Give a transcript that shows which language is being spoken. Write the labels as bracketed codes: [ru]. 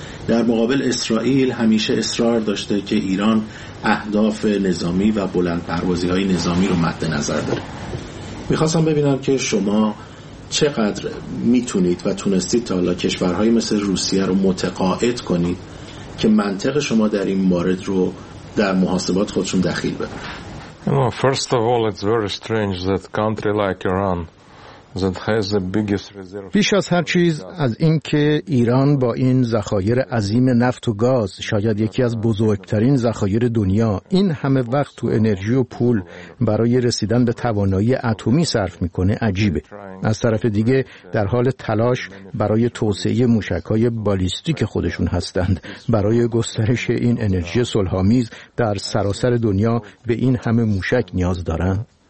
[fa] در مقابل اسرائیل همیشه اصرار داشته که ایران اهداف نظامی و بلند پروازی های نظامی رو مد نظر داره. میخواستم ببینم که شما چقدر میتونید و تونستید تا حالا کشورهای مثل روسیه رو متقاعد کنید که منطق شما در این مورد رو در محاسبات خودشون دخیل بدن. [en] First of all, it's very strange that country like Iran that has the biggest reserve. [fa] بیش از هر چیز از این که ایران با این ذخایر عظیم نفت و گاز، شاید یکی از بزرگترین ذخایر دنیا، این همه وقت تو انرژی و پول برای رسیدن به توانایی اتمی صرف میکنه عجیبه. از طرف دیگه در حال تلاش برای توسعه موشک‌های بالیستیک خودشون هستند، برای گسترش این انرژی صلح‌آمیز در سراسر دنیا به این همه موشک نیاز دارن.